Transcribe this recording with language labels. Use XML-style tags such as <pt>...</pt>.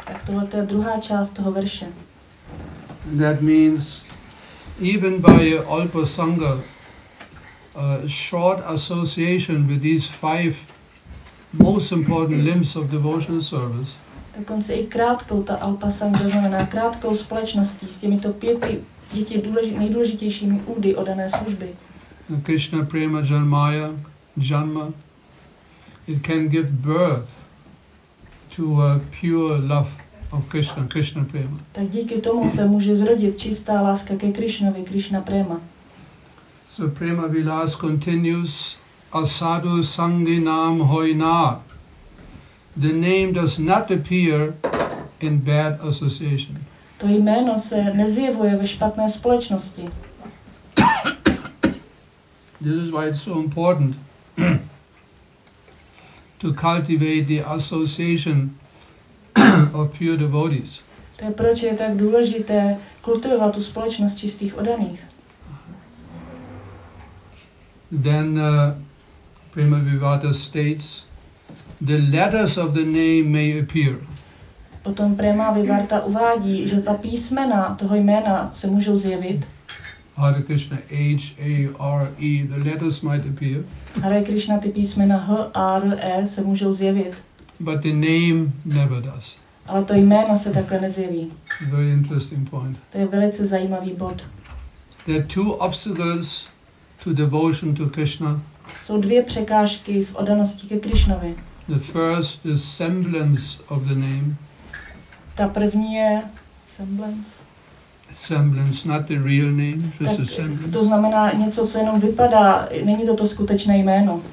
<cs>Tak tohle je druhá část toho verše.</cs> <en>And that means even by alpa sanga, a short association with these five most important limbs of devotional service.</en> <cs>Dokonce i krátkou ta alpa sanga znamená krátkou společností s těmito pěti nejdůležitějšími údy oddané služby.</cs> <en>Krishna prema</en> <bn>janmaya, janma,</bn> <en>it can give birth to a pure love of Krishna, Krishna prema.</en> <cs>Tak díky tomu se může zrodit čistá láska ke Krishnovi, Krishna prema.</cs> <en>So prema vilas continues,</en> <bn>asadu sangi nam hoina.</bn> <en>The name does not appear in bad association.</en> <cs>To jméno se nezjevuje ve špatné společnosti.</cs> <en>This is why it's so important to cultivate the association of pure devotees.</en> <cs>To je proč je tak důležité kultivovat tu společnost čistých oddaných.</cs> <en>Then Prema Vivata states, the letters of the name may appear.</en> <cs>Potom Prema Vivarta uvádí, že ta písmena toho jména se můžou zjevit.</cs> <en>Hare Krishna, H, A, R, E, the letters might appear.</en> <cs>Hare Krishna, ty písmena H, R, E se můžou zjevit.</cs> <en>But the name never does.</en> <cs>Ale to jméno se takhle nezjeví.</cs> <en>Very interesting point.</en> <cs>To je velice zajímavý bod.</cs> <en>There are two obstacles to devotion to Krishna.</en> <cs>Jsou dvě překážky v oddanosti ke Krishnovi.</cs> <en>The first is semblance of the name.</en> <cs>Ta první je semblance.</cs> <en>Semblance, not the real name, just</en> <cs>tak</cs> <en>a semblance.</en> <cs>To znamená něco, co jenom vypadá, není to to skutečné jméno.</cs>